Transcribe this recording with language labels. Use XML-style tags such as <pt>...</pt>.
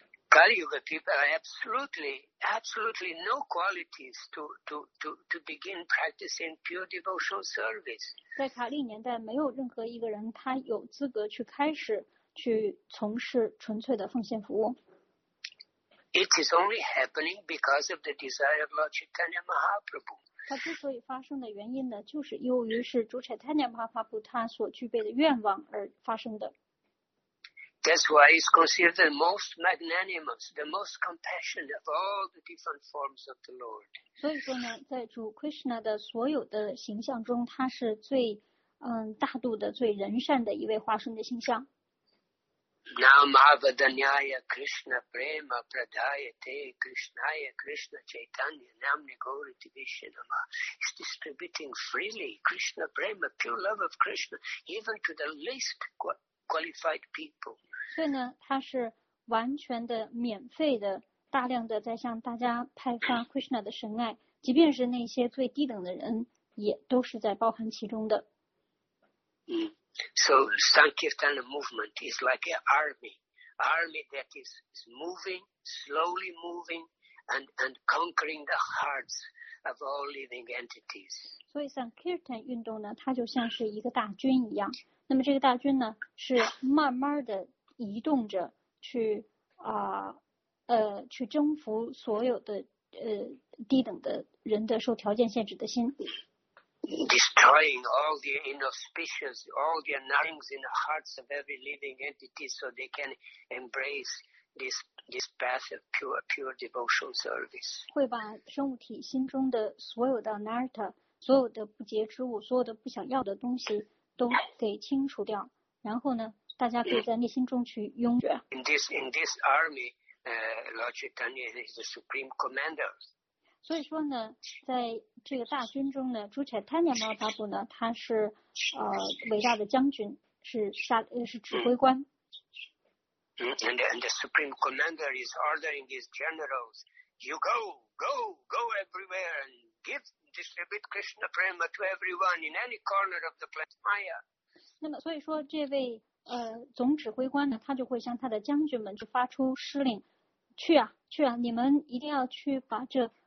<en>Kali Yuga people are absolutely, absolutely no qualities to begin practicing pure devotional service.</en> <zh>在卡利年代，没有任何一个人他有资格去开始去从事纯粹的奉献服务。</zh> <en>It is only happening because of the desire of Lord Chaitanya Mahaprabhu.</en> <zh>它之所以发生的原因呢，就是由于是主 Chaitanya Mahaprabhu 他所具备的愿望而发生的。</zh> <en>That's why he's considered the most magnanimous, the most compassionate of all the different forms of the Lord.</en> <zh>所以说呢，在主 Krishna 的所有的形象中，他是最大度的、最仁善的一位化身的形象。</zh> <sa>Namavadanyaya Krishna Prema Pradayate Krishnaya Krishna Chaitanya Namni Gauri Divishyanama</sa> <en>is distributing freely Krishna Prema, pure love of Krishna, even to the least qualified people.</en> <zh>所以呢，他是完全的免费的，大量的在向大家派发 Krishna 的神爱，即便是那些最低等的人，也都是在包含其中的。</zh> <en>So Sankirtana movement is like an army that is moving, slowly moving, and conquering the hearts of all living entities.</en> <zh>所以 Sankirtan 运动呢，它就像是一个大军一样。那么这个大军呢，是慢慢的移动着去啊、去征服所有的低等的人的受条件限制的心。</zh> <en>Destroying all the inauspicious, all the narrings in the hearts of every living entity, so they can embrace this path of pure devotional service.</en> <zh>会把生物体心中的所有的 narta, 所有的不洁之物，所有的不想要的东西都给清除掉。然后呢，大家可以在内心中去拥着。</zh> <en>In this army, Lord Chaitanya is the supreme commander.</en> <zh>所以说呢，在这个大军中呢，朱柴坦尼马巴布呢，他是伟大的将军，是指挥官。</zh> <en>And the supreme commander is ordering his generals, you go everywhere and distribute Krishna prema to everyone in any corner of the planet Maya.</en> <zh>那么所以说，这位总指挥官呢，他就会向他的将军们去发出施令，去啊，你们一定要去把这。</zh>